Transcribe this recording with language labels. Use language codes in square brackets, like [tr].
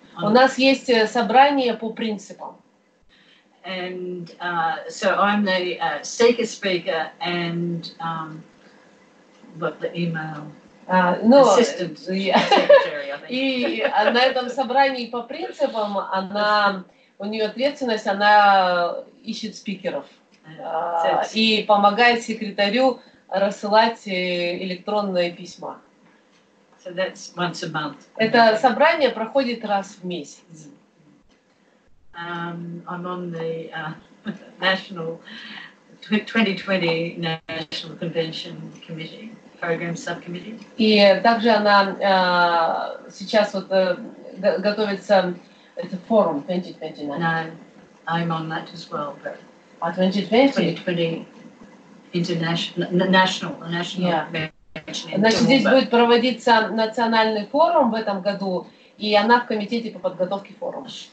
[ru] У нас есть собрание по принципам. [en] And so I'm the seeker speaker and the email assistant. Yeah. Secretary, I think. [ru] И на этом собрании по принципам она у нее ответственность, она ищет спикеров и помогает секретарю рассылать электронные письма. [en] So that's once a month. [ru] Это собрание проходит раз в месяц. [en] I'm on the national 2020 National Convention Committee Program Subcommittee. [ru] И также она сейчас вот готовится это форум 2020. [en] No, I'm on that as well, but 2020 international national. [ru] Значит, yeah. Здесь будет проводиться национальный форум в этом году, и она в комитете по подготовке форума.